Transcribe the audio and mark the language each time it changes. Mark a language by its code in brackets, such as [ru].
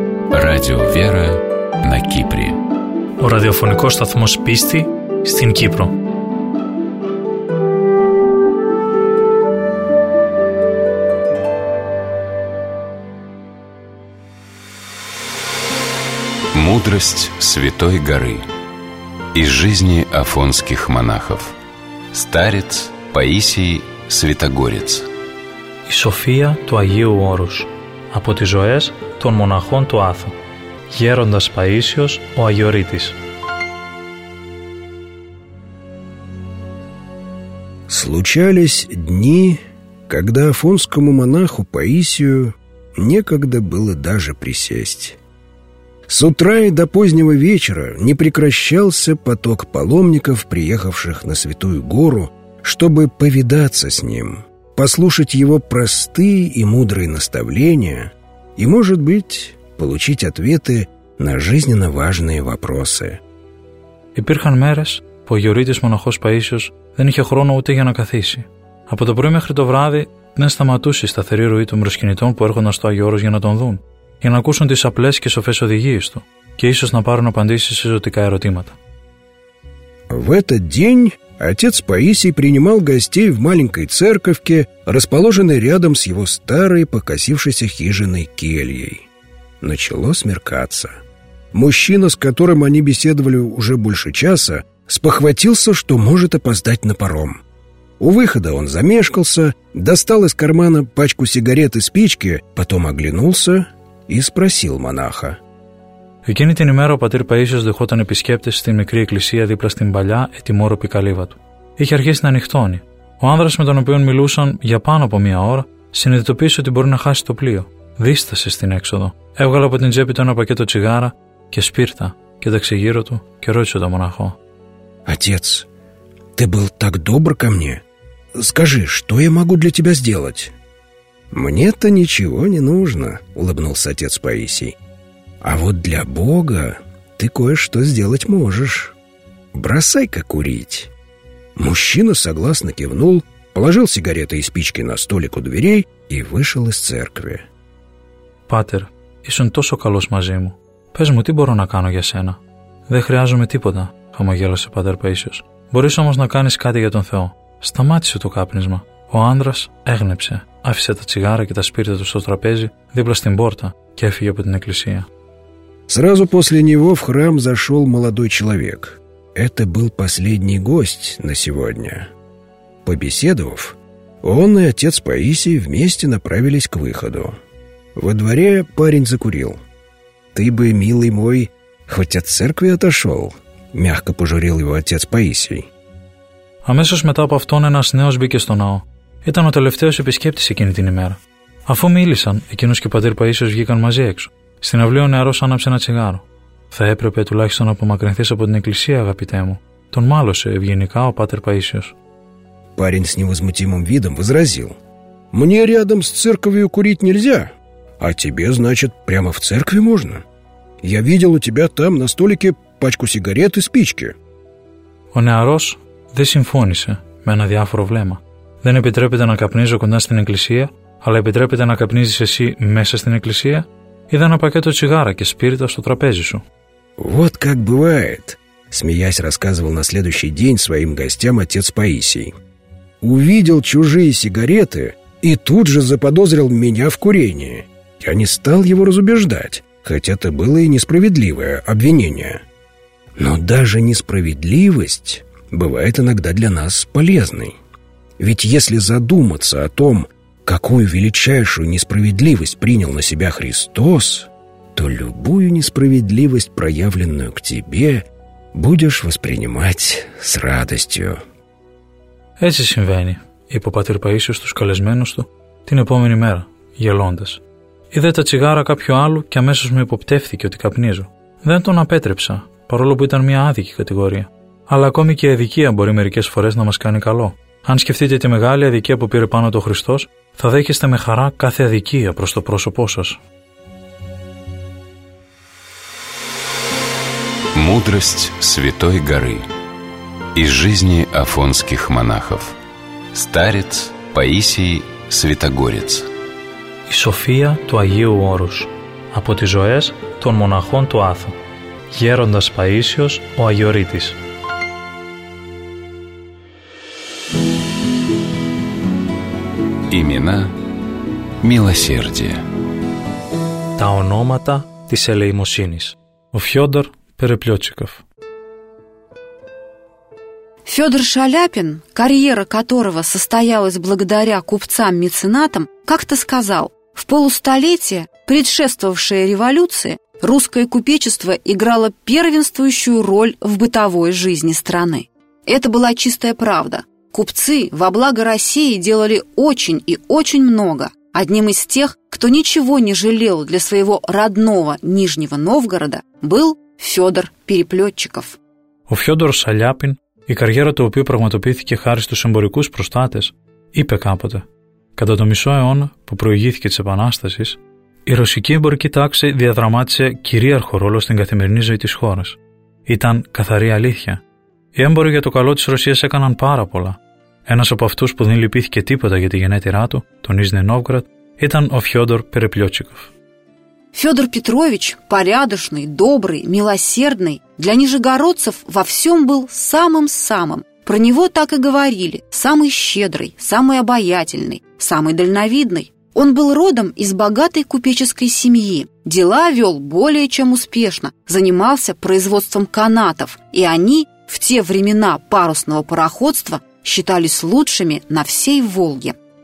[ru] Radio Vera на Кипре. [el] Ο ραδιοφωνικός σταθμός πίστη στην Κύπρο. [ru] Мудрость Святой Горы. Из жизни афонских монахов. Старец Паисий Святогорец. [el] Η Σοφία του Αγίου Όρους. Από τις ζωές των μοναχών του Άθου. Γέροντας Παΐσιος ο Αγιορείτης. [ru] Случались дни, когда афонскому монаху Паисию некогда было даже присесть. С утра и до позднего вечера не прекращался поток паломников, приехавших на Святую Гору, чтобы повидаться с ним, послушать его простые и мудрые наставления и, может быть, получить ответы на жизненно важные вопросы. [el] Υπήρχαν μέρες που ο Αγιορείτης μοναχός Παΐσιος δεν είχε χρόνο ούτε για να καθίσει. Από το πρωί μέχρι το βράδυ δεν σταματούσε η σταθερή ροή των μυροσκυνητών που έρχονταν στο Άγιο Όρος για να τον δουν, για να ακούσουν τις απλές και σοφές οδηγίες του και ίσως να πάρουν απαντήσεις σε ζωτικά ερωτήματα. [ru] В этот день отец Паисий принимал гостей в маленькой церковке, расположенной рядом с его старой покосившейся хижиной кельей. Начало смеркаться. Мужчина, с которым они беседовали уже больше часа, спохватился, что может опоздать на паром. У выхода он замешкался, достал из кармана пачку сигарет и спички, потом оглянулся и спросил монаха. [el] Εκείνη την ημέρα ο πατήρ Παΐσιος δεχόταν επισκέπτες στη μικρή εκκλησία δίπλα στην παλιά ετοιμόρροπη καλύβα του. Είχε αρχίσει να ανοιχτώνει. Ο άνδρας με τον οποίο μιλούσαν για πάνω από μία ώρα συνειδητοποίησε ότι μπορεί να χάσει το πλοίο. Δίστασε στην έξοδο. Έβγαλε από την τσέπη του ένα πακέτο τσιγάρα και σπίρτα. Κοίταξε γύρω του και ρώτησε τον μοναχό. [ru] Отец, ты был так добр ко мне. Скажи, что я могу для тебя сделать? «Мне-то ничего не нужно», — улыбнулся отец Паисий. «А вот для Бога ты кое-что сделать можешь. Бросай-ка курить». Мужчина согласно кивнул, положил сигареты и спички на столик у дверей и вышел из церкви. [el] «Патер, ήσουν τόσο καλός μαζί μου. Πες μου, τι μπορώ να κάνω για σένα?» «Δεν χρειάζομαι τίποτα», χαμογέλασε ο πατέρ Παΐσιος. «Μπορείς όμως να κάνεις κάτι για τον Θεό». Σταμάτησε το κάπνισμα. Ο άνδρας έγνεψε. Άφησε τα τσιγάρα και τα σπίρτα του στο τραπέζι δίπλα στην πόρτα και έφυγε από την εκκλησία. [ru] Сразу после него в храм зашел молодой человек. Это был последний гость на сегодня. Побеседовав, он и отец Паисий вместе направились к выходу. Во дворе парень закурил. «Ты бы, милый мой, хоть от церкви отошел», — мягко пожурил его отец Паисий. [el] Амесос мета από αυτόν ένας νέος μπήκε στο ναό. Ήταν ο τελευταίος επισκέπτης εκείνη την ημέρα. Αφού μίλησαν, εκείνος και ο πατήρ Παΐσιος βγήκαν μαζί έξω. Στην αυλή ο νεαρός άναψε ένα τσιγάρο. «Θα έπρεπε τουλάχιστον να απομακρυνθείς από την εκκλησία, αγαπητέ μου». Τον μάλωσε ευγενικά ο πατήρ Παΐσιος. [ru] Парень с невозмутимым видом возразил. «Мне рядом с церковью курить нельзя. А тебе, значит, прямо в церкви можно? Я видел у тебя там на столике пачку сигарет и спички». [el] Ο νεαρός δεν συμφώνησε με ένα διάφορο βλέμμα. «Δεν επιτρέπεται να καπνίζω κοντά στην εκκλησία, αλλά επιτρέπεται να καπνίζεις εσύ μέσα στην εκκλησία? Είδα ένα πακέτο τσιγάρα και σπίρτα στο τραπέζι σου». [ru] «Вот как бывает», — смеясь рассказывал на следующий день своим гостям отец Паисий. «Увидел чужие сигареты и тут же заподозрил меня в курении. Я не стал его разубеждать, хотя это было и несправедливое обвинение. Но даже несправедливость бывает иногда для нас полезной. Ведь если задуматься о том, какую величайшую несправедливость принял на себя Христос, то любую несправедливость, проявленную к тебе, будешь воспринимать с радостью». [el] «Έτσι συμβαίνει», είπε ο πατήρ Παΐσιος στους καλεσμένους του την επόμενη μέρα, γελώντας. «Είδε τα τσιγάρα κάποιου άλλου και αμέσως με υποπτεύθηκε ότι καπνίζω. Δεν τον απέτρεψα, παρόλο που ήταν μια άδικη κατηγορία. Αλλά ακόμη και η αδικία μπορεί μερικές φορές να μας κάνει καλό. Αν σκεφτείτε τη μεγάλη αδικία που πήρε πάνω το Χριστός, θα δέχεστε με χαρά κάθε αδικία προς το πρόσωπό σας». [ru] Мудрость Святой Горы из жизни афонских монахов. Старец Паисий Святогорец. [el] Η σοφία του Αγίου Όρους από τις ζωές των μοναχών του Άθου. Γέροντας Παΐσιος ο Αγιορείτης. [ru] Имена милосердия. [el] Τα ονόματα της ελεημοσύνης. Ο Фёдор Переплётчиков. [ru] Фёдор Шаляпин, карьера которого состоялась благодаря купцам-меценатам, как-то сказал: «В полустолетие, предшествовавшее революции, русское купечество играло первенствующую роль в бытовой жизни страны». Это была чистая правда. Купцы во благо России делали очень и очень много. Одним из тех, кто ничего не жалел для своего родного Нижнего Новгорода, был Фёдор Переплётчиков. [el] Ο Фёдор Шаляпин, η καριέρα του οποίου πραγματοποιήθηκε χάρη στους εμπορικούς προστάτες, είπε κάποτε: «Κατά το μισό αιώνα που προηγήθηκε της Επανάστασης, η ρωσική εμπορική τάξη διαδραμάτισε κυρίαρχο ρόλο στην καθημερινή ζωή της χώρας. Ήταν καθαρή αλήθεια. Οι έμποροι για το καλό της Ρωσίας έκαναν πάρα πολλά. Ένας από αυτούς που δεν λυπήθηκε τίποτα για τη γενέτειρά του, τον Νίζνη Νόβγραντ, ήταν ο Φιόντορ Переплётчиков». [ru] Фёдор Петрович, порядочный, добрый, милосердный, для нижегородцев во всём был самым-самым. Про него так и говорили: самый щедрый, самый обаятельный, самый дальновидный. Он был родом из богатой купеческой семьи, дела вёл более чем успешно, занимался производством канатов, и они – в те времена парусного пароходства считались лучшими на всей Волге.